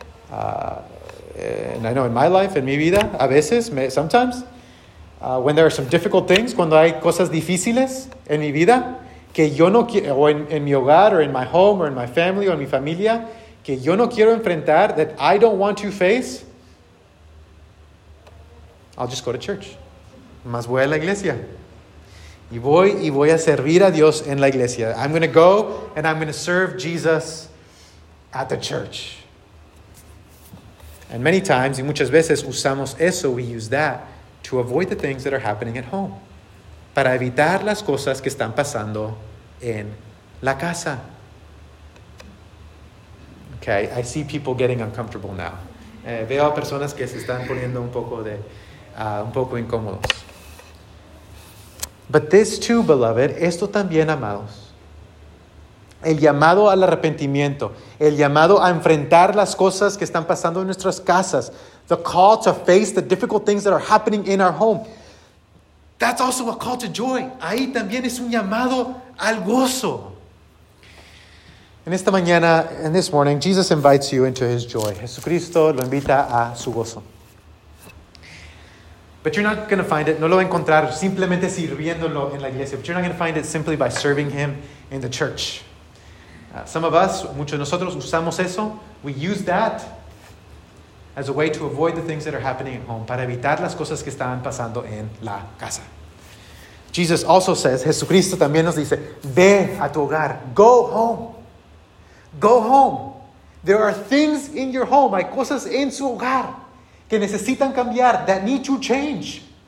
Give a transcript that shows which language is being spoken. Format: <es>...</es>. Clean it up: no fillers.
<en>And I know in my life,</en> <es>en mi vida, a veces,</es> <en>sometimes, when there are some difficult things,</en> <es>cuando hay cosas difíciles en mi vida, que yo no quiero, o en mi hogar,</es> <en>or in my home, or in my family, or</en> <es>en mi familia, que yo no quiero enfrentar,</es> <en>that I don't want to face, I'll just go to church.</en> <es>Más voy a la iglesia. Y voy a servir a Dios en la iglesia.</es> <en>I'm going to go and I'm going to serve Jesus at the church. And many times,</en> <es>y muchas veces, usamos eso,</es> <en>we use that to avoid the things that are happening at home.</en> <es>Para evitar las cosas que están pasando en la casa.</es> <en>Okay, I see people getting uncomfortable now.</en> <es>Veo a personas que se están poniendo un poco incómodos.</es> <en>But this too, beloved,</en> <es>esto también, amados. El llamado al arrepentimiento, el llamado a enfrentar las cosas que están pasando en nuestras casas,</es> <en>the call to face the difficult things that are happening in our home, that's also a call to joy.</en> <es>Ahí también es un llamado al gozo. En esta mañana,</es> <en>in this morning, Jesus invites you into his joy.</en> <es>Jesucristo lo invita a su gozo.</es> <en>But you're not going to find it,</en> <es>no lo va a encontrar simplemente sirviéndolo en la iglesia.</es> <en>But you're not going to find it simply by serving him in the church. Some of us,</en> <es>muchos de nosotros, usamos eso.</es> <en>We use that as a way to avoid the things that are happening at home.</en> <es>Para evitar las cosas que están pasando en la casa.</es> <en>Jesus also says,</en> <es>Jesucristo también nos dice, ve a tu hogar.</es> <en>Go home. Go home. There are things in your home.</en> <es>Hay cosas en su hogar que necesitan cambiar,</es> <en>that need to change.</en>